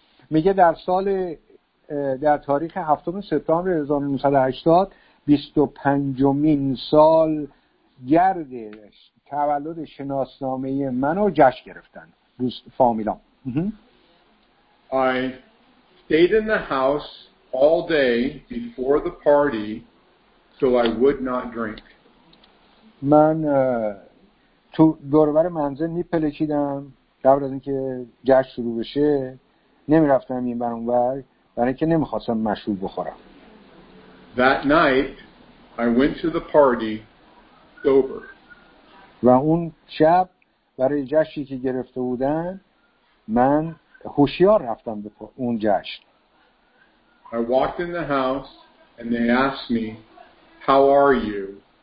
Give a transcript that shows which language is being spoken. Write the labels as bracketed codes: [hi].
[fa] میگه در سال در تاریخ 7 سپتامبر 1980 25 سال گرد تولد شناسنامه منو جشن گرفتن دوست فامیلام. [en] I stayed in the house all day before the party so I would not drink. [fa] من تو دوربر منزل میپلکیدم قبل از اینکه جشن شروع بشه، نمیرفتم این بر اون بر برای اینکه نمیخواستم مشروب بخورم. [en] That night I went to the party sober. [fa] و اون شب برای جشنی که گرفته بودن من هوشیار رفتم به اون جشن. [en] I walked in the house and they asked me, "How are you?"